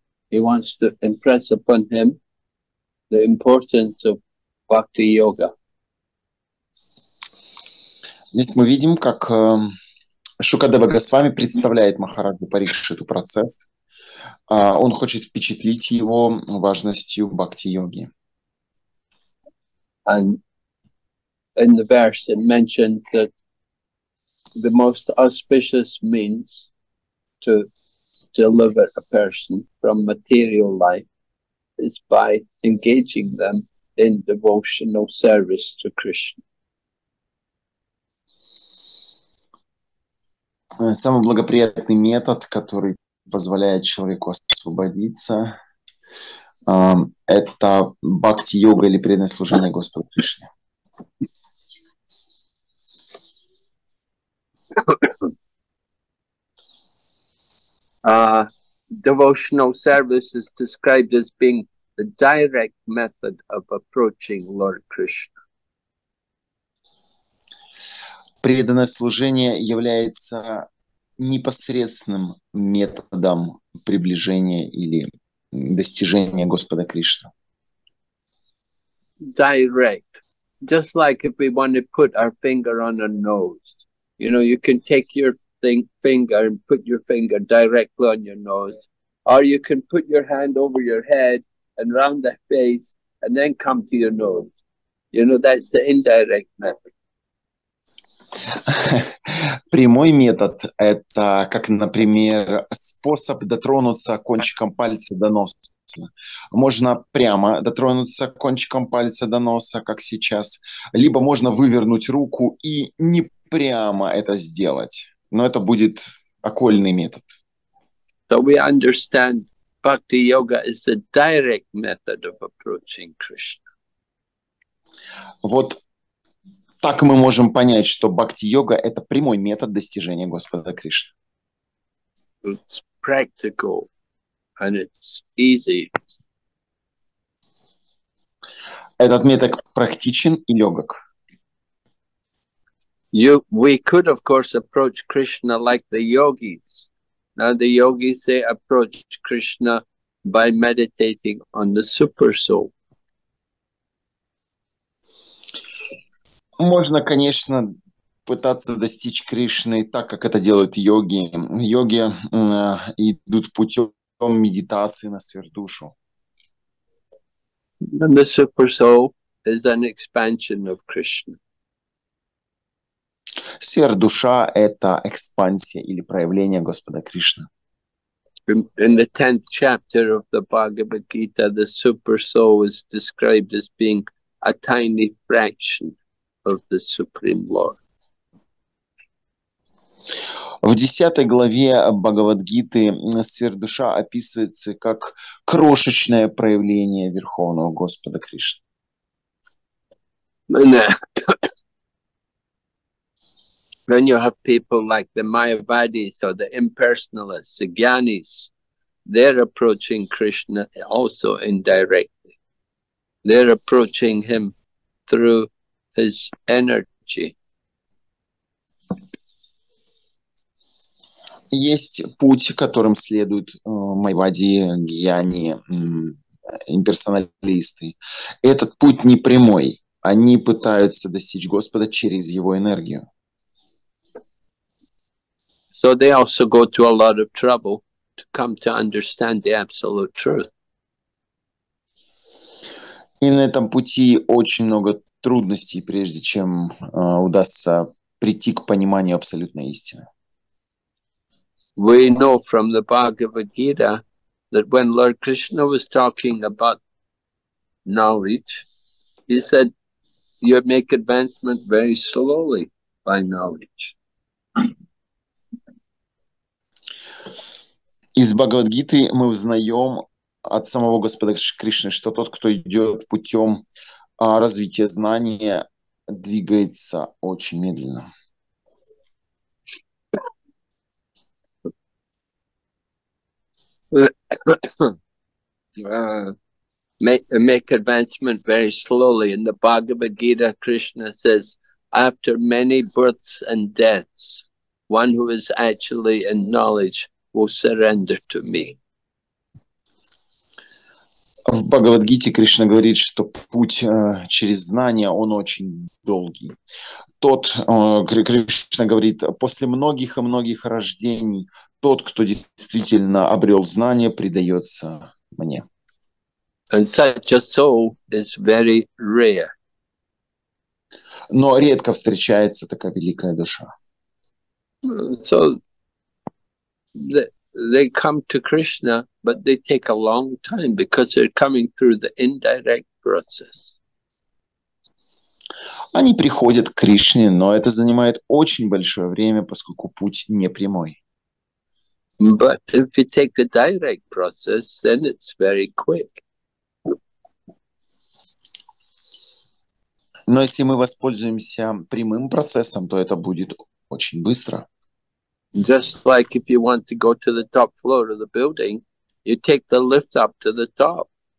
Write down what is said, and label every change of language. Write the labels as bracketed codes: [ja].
[en] He wants to impress upon him the importance of Bhakti Yoga. [ru] Здесь мы видим, как Шукадева Госвами представляет Махараджу Парикшиту процесс. Он хочет впечатлить его важностью бхакти-йоги. [en] And in the verse it mentions that the most auspicious means to deliver a person from material life is by engaging them in devotional service to Krishna. [ru] Самый благоприятный метод, который позволяет человеку освободиться, это бхакти-йога или преданное служение Господу Кришне. [en] Devotional service is described as being the direct method of approaching Lord Krishna. [ru] Преданное служение является непосредственным методом приближения или достижения Господа Кришны. [en] Direct. Just like if we want to put our finger on our nose. You know, you can take your finger and put your finger directly on your nose. Or you can put your hand over your head and round the face and then come to your nose. You know, that's the indirect method. [ru] Прямой метод – это, как, например, способ дотронуться кончиком пальца до носа. Можно прямо дотронуться кончиком пальца до носа, как сейчас, либо можно вывернуть руку и не прямо это сделать. Но это будет окольный метод. [en] So we understand Bhakti Yoga is the direct method of approaching Krishna. [ru] Вот. Так мы можем понять, что бхакти-йога – это прямой метод достижения Господа Кришны. [en] It's practical and it's easy. [ru] Этот метод практичен и легок. [en] We could, of course, approach Krishna like the yogis. Now the yogis, they approach Krishna by meditating on the super soul. [ru] Можно, конечно, пытаться достичь Кришны так, как это делают йоги. Йоги идут путем медитации на сверхдушу. [en] And the super soul is an expansion of Krishna. [ru] Сверхдуша – это экспансия или проявление Господа Кришны. [en] In the 10th chapter of the Bhagavad Gita, the super soul is described as being a tiny fraction of the Supreme Lord. [ru] В 10 главе Бхагавадгиты сверхдуша описывается как крошечное проявление Верховного Господа Кришны. [en] Then you have people like the Mayavadis or the impersonalists, the Jnanis. They're approaching Krishna also indirectly. They're approaching him through his energy. [ru] Есть путь, которым следуют майвади, гьяни, имперсоналисты. Этот путь не прямой. Они пытаются достичь Господа через его энергию. [en] So they also go to a lot of trouble to come to understand the absolute truth. [ru] И на этом пути очень много трудностей, прежде чем удастся прийти к пониманию абсолютной истины. [en] We know from the Bhagavad Gita that when Lord Krishna was talking about knowledge, he said, you make advancement very slowly by knowledge. [ru] Из Бхагавадгиты мы узнаем от самого Господа Кришны, что тот, кто идет путем развития знания, двигается очень медленно. [en] make advancement very slowly. In the Bhagavad Gita, Krishna says, after many births and deaths, one who is actually in knowledge will surrender to me. [ru] В Бхагавадгите Кришна говорит, что путь через знания, он очень долгий. Тот, Кришна говорит, после многих и многих рождений, тот, кто действительно обрел знания, предается мне. [en] And such a soul is very rare. [ru] Но редко встречается такая великая душа. [en] So they come to Krishna, but they take a long time because they're coming through the indirect process. [ru] Они приходят к Кришне, но это занимает очень большое время, поскольку путь не прямой. [en] But if you take the direct process, then it's very quick. [ru] Но если мы воспользуемся прямым процессом, то это будет очень быстро. [en] Just like if you want to go to the top floor of the building, you take the lift up to the top.